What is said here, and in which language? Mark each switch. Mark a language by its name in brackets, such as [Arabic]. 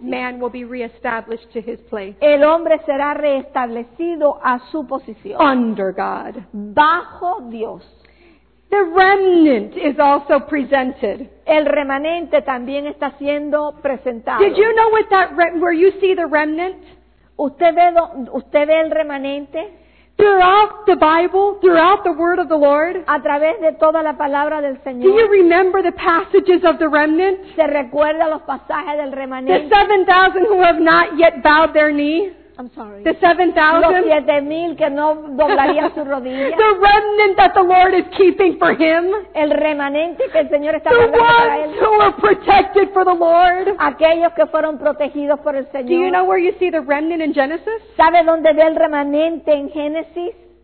[English] Man will be reestablished to his place. [Spanish] El hombre será reestablecido a su posición. [English] Under God. [Spanish] Bajo Dios. [English] The remnant is also presented. [Spanish] El remanente también está siendo presentado. [English] Did you know what that where you see the remnant? [Spanish] ¿Usted ve el remanente? [English] Throughout the Bible, throughout the Word of the Lord, [Spanish] a través de toda la palabra del Señor, [English] do you remember the passages of the remnant? [Spanish] ¿Se recuerda los pasajes del remanente? [English] The 7,000 who have not yet bowed their knee. I'm sorry. The 7,000. [Spanish] Los 7,000 que no doblarían su rodilla. [English] The remnant that the Lord is keeping for him. [Spanish] El remanente que el Señor está guardando para él. [English] The ones who are protected for the Lord. [Spanish] Aquellos que fueron protegidos por el Señor. [English] Do you know where you see the remnant in Genesis? [Spanish] ¿Sabe dónde ve el remanente en Génesis?